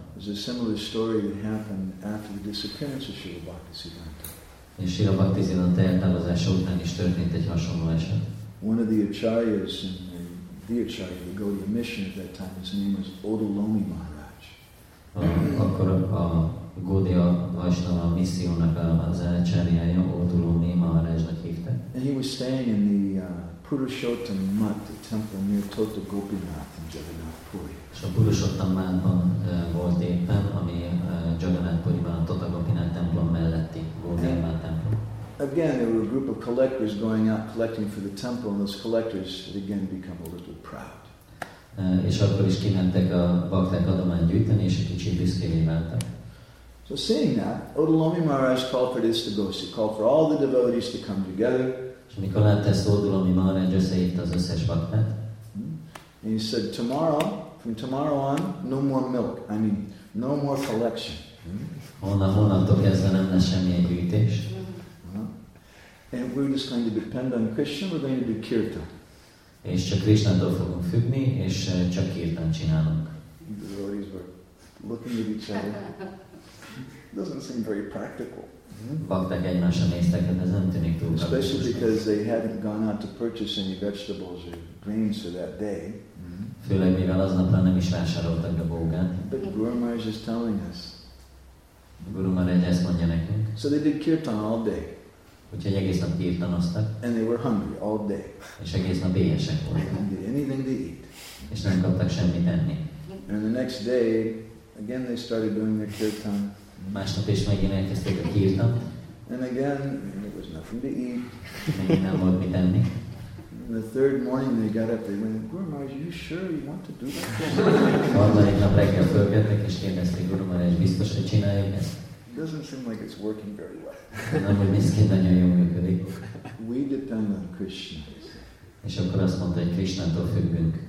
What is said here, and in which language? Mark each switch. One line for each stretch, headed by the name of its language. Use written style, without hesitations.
English: There's a similar story that happened after the disappearance of Srila Bhaktisiddhanta.
Hungarian: És Srila Bhaktisiddhanta eltávozása után is történt egy hasonló eset.
English: One of the acharyas in the acharya, the Gaudiya mission at that time, his name was Odalomi Maharaj.
Hungarian: Akkor a Gaudiya Vaishnava missziónak az acharyája Odalomi Maharajnak hívták.
English: And he was staying in the Purushottam Mat, the temple near Tota Gopinath in Jagannath Puri.
Hungarian: So Purushottam Matban volt éppen, ami Jagannath Puriban, a Tota Gopinath templom melletti Gopinath templom.
English: Again, there were a group of collectors going out collecting for the temple, and those collectors had again become a little proud.
Hungarian: És akkor is kimentek a bakták adományt gyűjteni, és egy kicsit büszkévé váltak.
English: So seeing that, Odalomi Maharaj called for this devotee, called for all the devotees to come together.
Hungarian: És amikor látta ezt Odalomi Maharaj, összehívta az összes baktát.
English: And he said, tomorrow, from tomorrow on, no more milk. I mean, no more collection.
Hungarian: Honnantól kezdve nem lesz semmilyen gyűjtés.
English: And we're just going to depend on Krishna, we're going to do kirtan.
Hungarian: És csak Krishnától fogunk függni, és csak kirtan csinálunk.
English: The devotees were looking at each other. Doesn't seem very practical.
Hungarian: Bakták egymásra néztek, de ez nem tűnik túl.
English: Especially because they hadn't gone out to purchase any vegetables or greens for that day.
Hungarian: Főleg mivel aznapra nem is vásároltak a bógán.
English: But Guru Maharaj is telling us.
Hungarian: Guru Maharaj ezt mondja nekünk.
English: So they did kirtan all day.
Hungarian: Úgyhogy egész nap kirtanoztak.
English: And they were hungry all day.
Hungarian: És egész nap éhesek voltak.
English: Anything to eat.
Hungarian: És nem kaptak semmit enni.
English: And the next day, again they started doing their kirtan.
Hungarian: Másnap is megint elkezdték a kirtant.
English: And again, there was nothing to eat.
Hungarian: Megint nem volt mit enni.
English: And the third morning they got up, they went, Guru Maharaj, are you sure you want to do that?
Hungarian: Harmadik nap reggel fölkeltek, és kérdezték, Guru Maharaj, biztos, hogy csináljuk ezt?
English: It doesn't seem like it's working very well.
Hungarian: Nem, hogy miszként nagyon jól működik.
English: We depend on Krishna.
Hungarian: És akkor azt mondta, hogy Krishnától függünk.